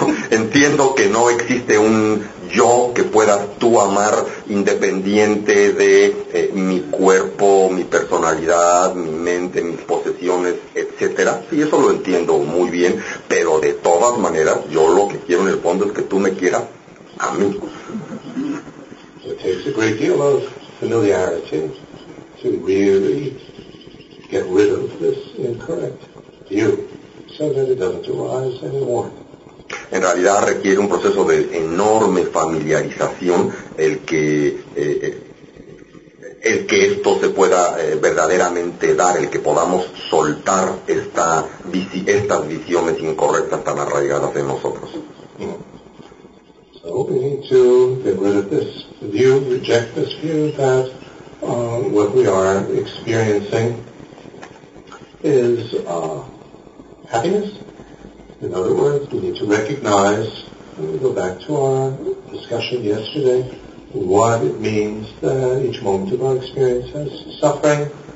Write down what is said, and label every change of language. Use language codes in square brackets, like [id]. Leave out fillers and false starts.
[es] Entiendo que no existe un yo que puedas tú amar independiente de mi cuerpo, mi personalidad, mi mente, mis posesiones, etcétera. Sí, eso lo entiendo muy bien, pero de todas maneras, yo lo que quiero en el fondo es que tú me quieras a mí. [en] It takes a great deal of familiarity to really get rid of this incorrect view, so that it doesn't arise anymore. [es] En realidad requiere un proceso de enorme familiarización el que el que esto se pueda verdaderamente dar, el que podamos soltar estas visiones incorrectas tan arraigadas en nosotros. [en] So we need to get rid of this view, reject this view that what we are experiencing is happiness. In other words, we need to recognize, and we go back to our discussion yesterday, what it means that each moment of our experience has suffering.